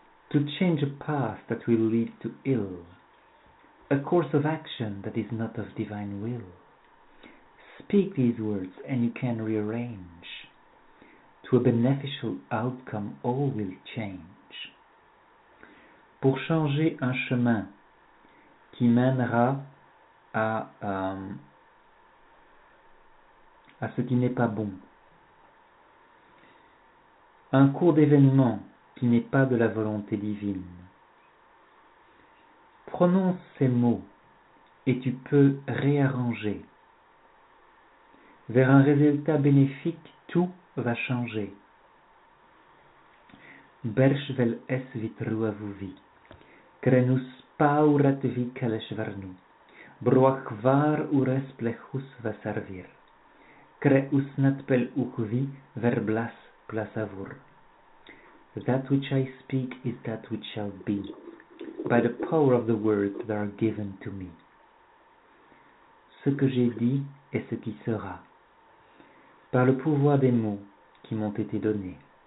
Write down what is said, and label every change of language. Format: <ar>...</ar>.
<en>To change a path that will lead to ill, a course of action that is not of divine will. Speak these words and you can rearrange. To a beneficial outcome, all will change.</en> <fr>Pour changer un chemin qui mènera à ce qui n'est pas bon, un cours d'événement qui n'est pas de la volonté divine. Prononce ces mots et tu peux réarranger. Vers un résultat bénéfique, tout va changer. Bersh vel es vitrua vuvi. Krenus paurat vi kaleshvarnu. Broach var ures plechus vasarvir. Kreus natpel uchvi verblas plasavur.</fr> <en>That which I speak is that which shall be. By the power of the words that are given to me.</en> <fr>Ce que j'ai dit est ce qui sera, par le pouvoir des mots qui m'ont été donnés.</fr>